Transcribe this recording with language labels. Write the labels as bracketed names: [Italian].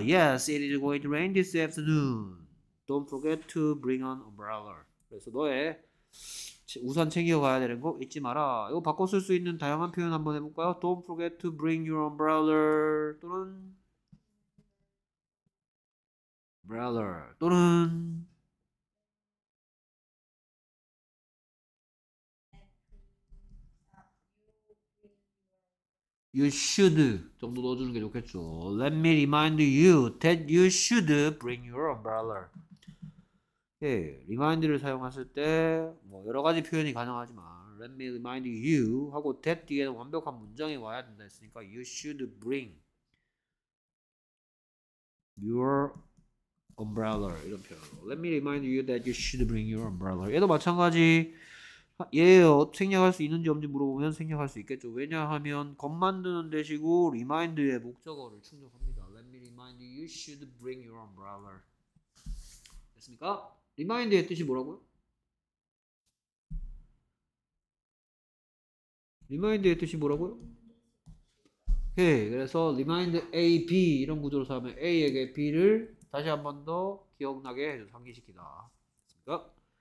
[English] Yes, it is going to rain this afternoon. Don't forget to bring an umbrella. [Korean] 그래서 너의 우산 챙겨가야 되는 거 잊지 마라. 이거 바꿔 쓸수 있는 다양한 표현 한번 해볼까요? [English] Don't forget to bring your umbrella 또는 umbrella 또는 You should [Korean] 정도 넣어주는 게 좋겠죠. [English] Let me remind you that you should bring your umbrella. [Korean] 예, remind를 사용했을 때뭐 여러 가지 표현이 가능하지만, [English] Let me remind you [Korean] 하고 that 뒤에는 완벽한 문장이 와야 된다 했으니까 [English] you should bring your umbrella [Korean] 이런 표현으로. [English] Let me remind you that you should bring your umbrella. [Korean] 얘도 마찬가지. 얘요 생략할 수 있는지 없는지 물어보면 생략할 수 있겠죠. 왜냐하면 겉만 드는 대시고 리마인드의 목적어를 충족합니다. [English] Let me remind you, you should bring your umbrella. [Korean] 됐습니까? 리마인드의 뜻이 뭐라고요? 리마인드의 뜻이 뭐라고요? 오케이. 그래서 리마인드 A, B 이런 구조로 사면 A에게 B를 다시 한번더 기억나게 해줘. 상기시키다. 됐습니까?